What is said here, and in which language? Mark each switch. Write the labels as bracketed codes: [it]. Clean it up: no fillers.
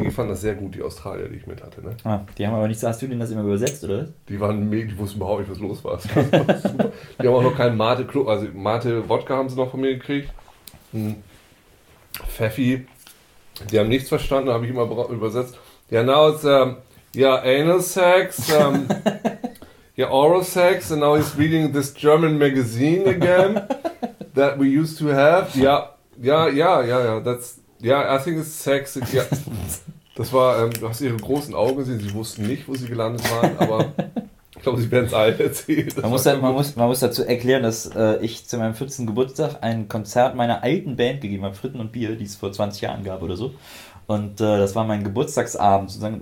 [de] Die fanden das sehr gut, die Australier, die ich mit hatte, ne? die haben aber nicht, hast du denen das immer übersetzt, oder Die waren mega, die wussten überhaupt nicht, was los war. Das war super. Die haben auch noch keinen Mate Club, also Mate Wodka haben sie noch von mir gekriegt. Pfeffi. Die haben nichts verstanden, habe ich immer übersetzt. [en] Ja, now it's, ja, anal sex, ja, oral sex, and now he's reading this German magazine again that we used to have. Ja, that's, yeah, I think it's sex. [de] Ja. Das war, du hast ihre großen Augen gesehen, sie wussten nicht, wo sie gelandet waren, aber ich glaube, sie werden es allen erzählen. Man Das muss halt, sehr gut. man muss dazu erklären, dass ich zu meinem 14. Geburtstag ein Konzert meiner alten Band gegeben habe, Fritten und Bier, die es vor 20 Jahren gab oder so. Und das war mein Geburtstagsabend, sozusagen.